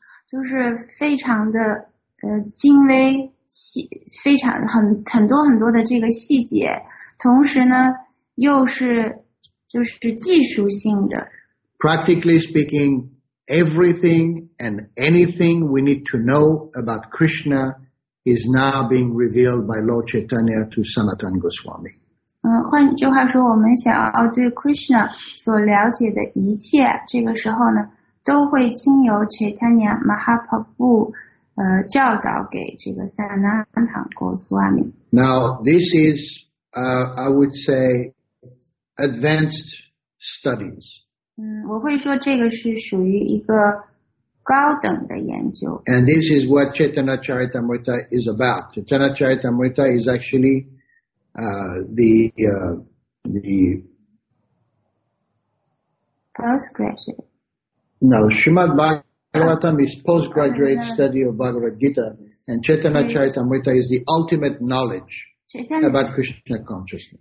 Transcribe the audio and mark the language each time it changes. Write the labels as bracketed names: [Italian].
[Chinese] 就是非常的精微细，非常很多的这个细节，同时呢又是就是技术性的。 [English] practically speaking, everything and anything we need to know about Krishna is now being revealed by Lord Chaitanya to Sanatan Goswami. [Chinese] 换句话说，我们想要对 Krishna 所了解的一切，这个时候呢，都会经由 Chaitanya Mahaprabhu 教导给这个 Sanatan Goswami. [English] Now this is, I would say, advanced studies. [Chinese] 我会说这个是属于一个高等的研究。 [English] And this is what Chaitanya Charitamrita is about. Chaitanya Charitamrita is actually the postgraduate. No, Srimad Bhagavatam is postgraduate study of Bhagavad Gita, and Chaitanya Charitamrita is the ultimate knowledge about Krishna consciousness.